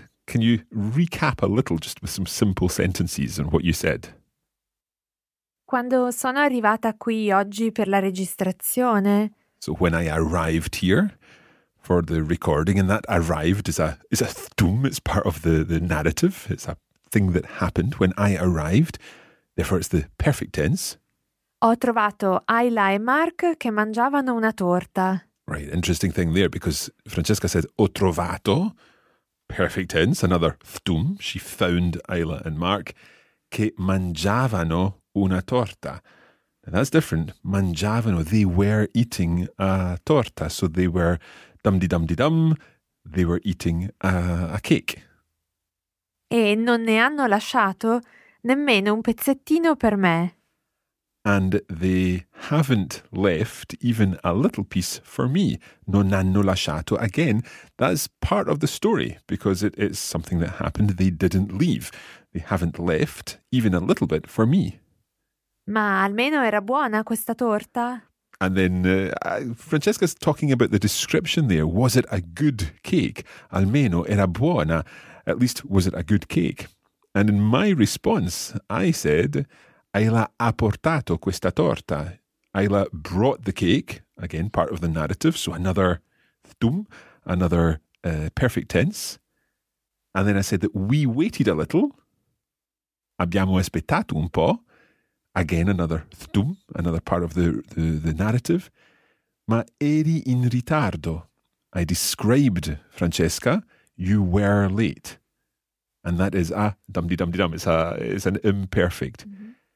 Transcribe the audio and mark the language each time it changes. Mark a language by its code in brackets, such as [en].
[en] Can you recap a little, just with some simple sentences, on what you said? [it] Quando sono arrivata qui oggi per la registrazione. [en] So when I arrived here for the recording, and that arrived is a thum, it's part of the narrative. It's a thing that happened when I arrived. Therefore it's the perfect tense. [it] Ho trovato Ayla e Mark che mangiavano una torta. [en] Right, interesting thing there, because Francesca said [it] ho trovato, [en] perfect tense, another thum. She found Ayla and Mark [it] che mangiavano una torta. [en] Now that's different. Mangiavano, they were eating a torta. So they were dum-di-dum-di-dum, they were eating a cake. [it] E non ne hanno lasciato nemmeno un pezzettino per me. [en] And they haven't left even a little piece for me. [it] Non hanno lasciato. [en] Again, that's part of the story because it's something that happened. They didn't leave. They haven't left even a little bit for me. [it] Ma almeno era buona questa torta. [en] And then Francesca's talking about the description there. Was it a good cake? [it] Almeno era buona. [en] At least, was it a good cake? And in my response, I said, [it] Ayla ha portato questa torta. [en] Ayla brought the cake, again, part of the narrative. So another thum, another perfect tense. And then I said that we waited a little. [it] Abbiamo aspettato un po'. [en] Again, another thum, another part of the narrative. [it] Ma eri in ritardo. [en] I described, Francesca, you were late. And that is a dum-di-dum-di-dum. It's an imperfect. Mm-hmm.